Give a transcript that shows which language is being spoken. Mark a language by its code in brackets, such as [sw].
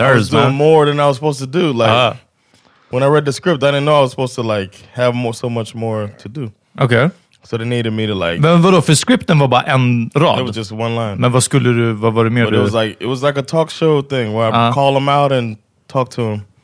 [en] I was doing more than I was supposed to do. Like, when I read the script, I didn't know I was supposed to like have more, so much more to do. Okay. So they needed me to like... [sv] Men vadå, för scripten var bara en rad? [en] It was just one line. [sv] Men vad skulle du, vad var det mer? [en] But [sv] du... [en] it was like a talk show thing where I call him out and talk to him.